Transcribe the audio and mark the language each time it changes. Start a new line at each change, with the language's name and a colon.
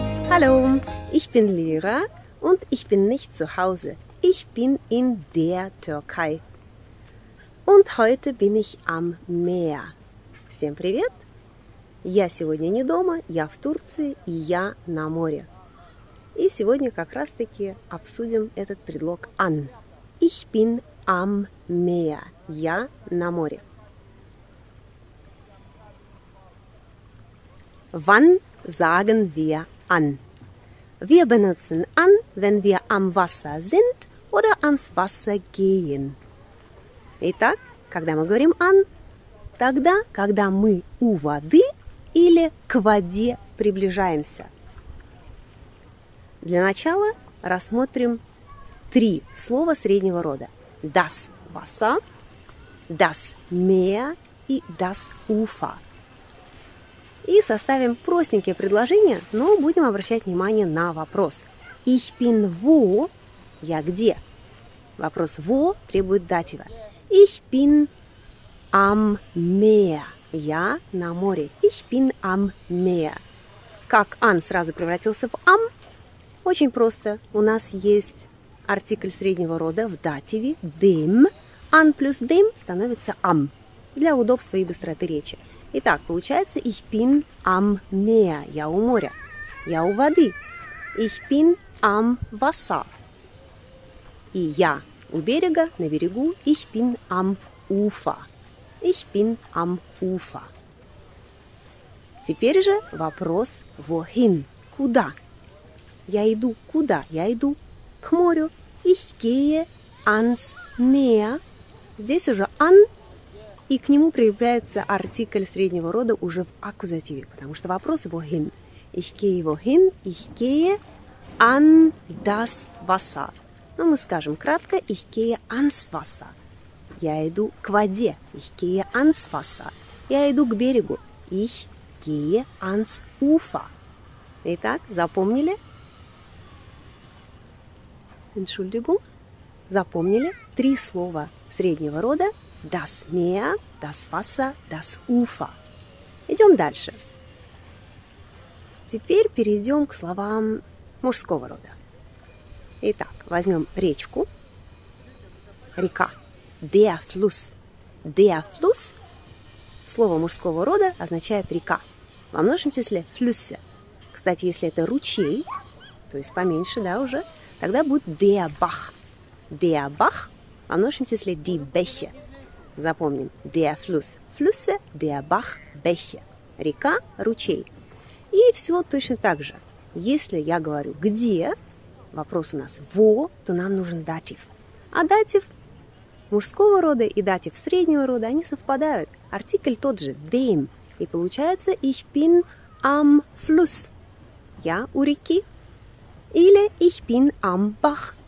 German: Hallo, ich bin Lira und ich bin nicht zu Hause. Ich bin in der Türkei. Und heute bin ich am Meer.
Russian: Всем привет! Я сегодня не дома, я в Турции и я на море. И сегодня как раз-таки обсудим этот предлог an.
German: Ich bin am Meer.
Russian: Я на море.
German: Wann sagen wir an? Wir benutzen an, wenn wir am Wasser sind oder ans Wasser gehen.
Russian: Итак, когда мы говорим an? Тогда, когда мы у воды или к воде приближаемся. Для начала рассмотрим три слова среднего рода.
German: Das Wasser, das Meer и das Ufer.
Russian: И составим простенькие предложения, но будем обращать внимание на вопрос.
German: Ich bin wo?
Russian: Я где? Вопрос wo требует датива.
German: Ich bin am Meer.
Russian: Я на море.
German: Ich bin am Meer.
Russian: Как an сразу превратился в am? Очень просто. У нас есть артикль среднего рода в дативе dem. An плюс dem становится am. Для удобства и быстроты речи. Итак, получается
German: ich bin am Meer.
Russian: Я у моря. Я у воды.
German: Ich bin am Wasser.
Russian: И я у берега, на берегу.
German: Ich bin am Ufer. Ich bin am Ufer.
Russian: Теперь же вопрос wohin? Куда? Я иду куда? Я иду к морю.
German: Ich gehe ans Meer.
Russian: Здесь уже an. И к нему прилепляется артикль среднего рода уже в аккузативе, потому что вопрос wohin.
German: Ich gehe wohin, ich gehe an das Wasser.
Russian: Ну, мы скажем кратко,
German: ich gehe ans Wasser.
Russian: Я иду к воде,
German: ich gehe ans Wasser.
Russian: Я иду к берегу,
German: ich gehe ans Ufer.
Russian: Итак, запомнили?
German: Entschuldigung.
Russian: Запомнили три слова среднего рода.
German: Das Meer, das Wasser, das Ufer.
Russian: Идем дальше. Теперь перейдем к словам мужского рода. Итак, возьмем речку. Река.
German: Der Fluss. Der Fluss.
Russian: Слово мужского рода означает река. Во множественном числе Flüsse. Кстати, если это ручей, то есть поменьше, да, уже, тогда будет der Bach.
German: Der Bach.
Russian: Во множественном числе die Bäche. Запомним.
German: Der Fluss. Flüsse, der Bach, Bäche.
Russian: Река, ручей. И все точно так же. Если я говорю где, вопрос у нас wo, то нам нужен датив. А датив мужского рода и датив среднего рода, они совпадают. Артикль тот же, dem. И получается
German: ich bin am Fluss.
Russian: Я у реки. Или
German: ich bin am Bach.